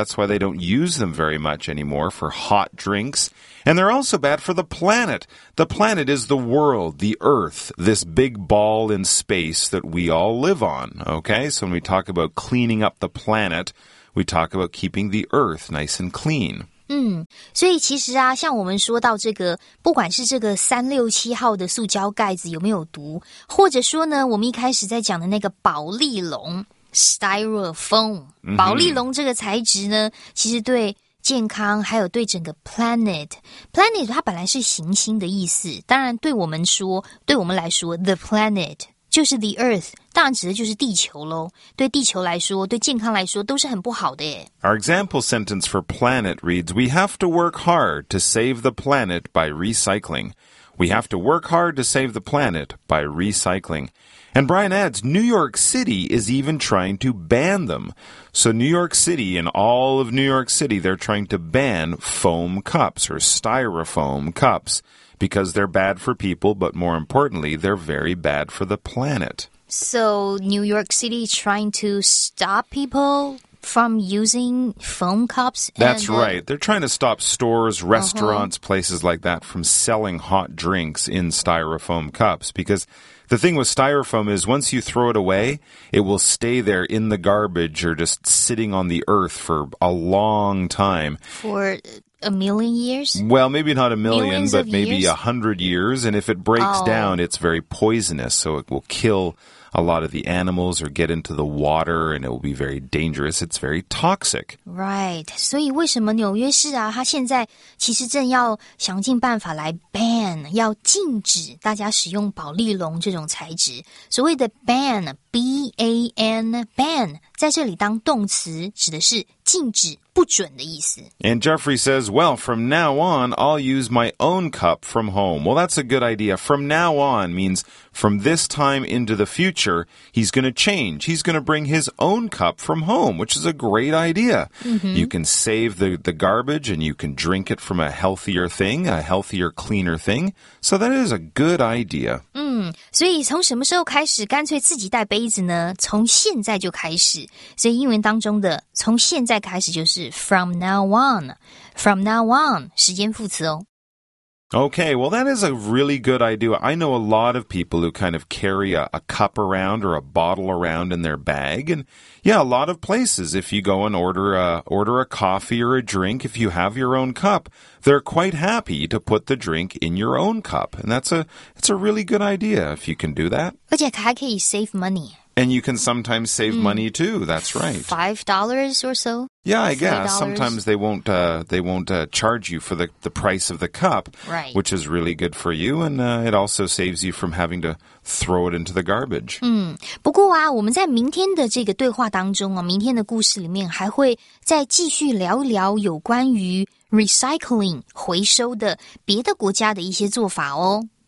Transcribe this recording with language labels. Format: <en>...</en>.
<en>That's why they don't use them very much anymore for hot drinks. And they're also bad for the planet. The planet is the world, the Earth, this big ball in space that we all live on, okay? So when we talk about cleaning up the planet, we talk about keeping the Earth nice and clean.</en> <zh>嗯，所以其实啊，像我们说到这个，不管是这个367号的塑胶盖子有没有毒，或者说呢，我们一开始在讲的那个宝丽龙 styrofoam, 宝丽龙这个材质呢，其实对健康还有对整个 planet 它本来是行星的意思，当然对我们说，对我们来说 the planet 就是 the earth, 当然指的就是地球咯，对地球来说，对健康来说都是很不好的耶。</zh> <en>Our example sentence for planet reads, we have to work hard to save the planet by recycling. We have to work hard to save the planet by recycling. And Brian adds, New York City is even trying to ban them. So New York City and all of New York City, they're trying to ban foam cups or styrofoam cups because they're bad for people, but more importantly, they're very bad for the planet. So New York City trying to stop people from using foam cups? That's right. They're trying to stop stores, restaurants, places like that from selling hot drinks in styrofoam cups because... The thing with styrofoam is once you throw it away, it will stay there in the garbage or just sitting on the earth for a long time. For a million years? Well, maybe not a million, but maybe 100 years. And if it breaks down, it's very poisonous. So it will kill a lot of the animals or get into the water and it will be very dangerous. It's very toxic. Right.</en> <zh>所以为什么纽约市啊，它现在其实正要想尽办法来 ban, 要禁止大家使用宝丽龙这种材质。所谓的 ban, B-A-N, ban, 在这里当动词指的是禁止不准的意思。</zh> <en>And Jeffrey says, well, from now on, I'll use my own cup from home. Well, that's a good idea. From now on means from this time into the future, he's going to change. He's going to bring his own cup from home, which is a great idea. Mm-hmm. You can save the garbage and you can drink it from a healthier thing, a healthier, cleaner thing. So that is a good idea.</en> <zh>所以从什么时候开始干脆自己带杯子呢？从现在就开始。所以英文当中的从现在开始就是 from now on, from now on, 时间副词哦。</zh> <en>Okay, well, that is a really good idea. I know a lot of people who kind of carry a cup around or a bottle around in their bag. And yeah, a lot of places, if you go and order a coffee or a drink, if you have your own cup, they're quite happy to put the drink in your own cup. And it's a really good idea if you can do that.</en> <zh>而且还可以</zh> <en>save money. And you can sometimes save money, too. That's right. $5 or so? Yeah, I guess. Sometimes they won't charge you for the price of the cup, right. Which is really good for you. And it also saves you from having to throw it into the garbage.</en> <zh>不过啊，我们在明天的这个对话当中，明天的故事里面还会再继续聊一聊有关于 recycling 回收的别的国家的一些做法哦。</zh>